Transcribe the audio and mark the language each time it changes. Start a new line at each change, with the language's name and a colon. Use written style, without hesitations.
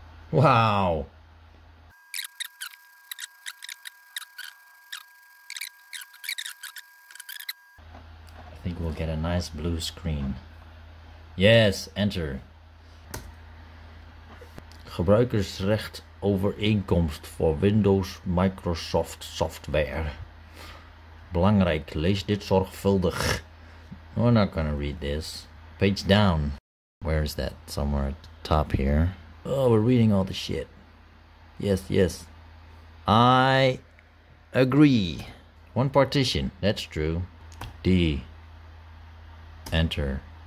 English: Wow. I think we'll get a nice blue screen. Yes, enter.
Dutch: Gebruikersrecht overeenkomst voor Windows Microsoft software. Belangrijk, lees dit zorgvuldig.
English: We're not gonna read this. Page down. Where is that? Somewhere at the top here. Oh, we're reading all the shit. Yes, yes. I agree. One partition, that's true. D. Enter.